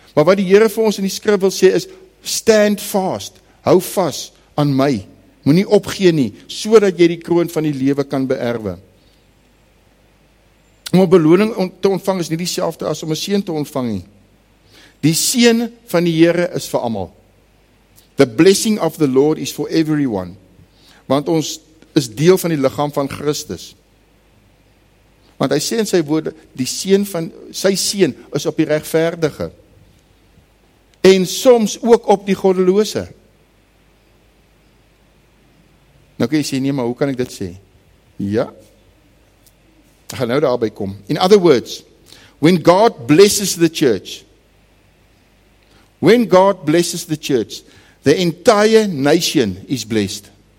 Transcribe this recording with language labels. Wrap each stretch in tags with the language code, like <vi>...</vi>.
<af>Maar wat die Here vir ons in die skrif wil sê is,</af> <en>stand fast,</en> <af>hou vas aan my. Moenie opgee nie, sodat jy die kroon van die lewe kan beerwe. Om 'n beloning te ontvang is nie dieselfde as om 'n seën te ontvang nie. Die seën van die Here is vir almal.</af> <en>The blessing of the Lord is for everyone.</en> <af>Want ons is deel van die liggaam van Christus. Want hy sê in sy woorde, die seën van sy seën is op die regverdige. En soms ook op die goddelose. Nou kan jy sê, nee, maar hoe kan ek dit sê? Ja. Gaan nou daarby kom.</af> <en>In other words, when God blesses the church, the entire nation is blessed.</en>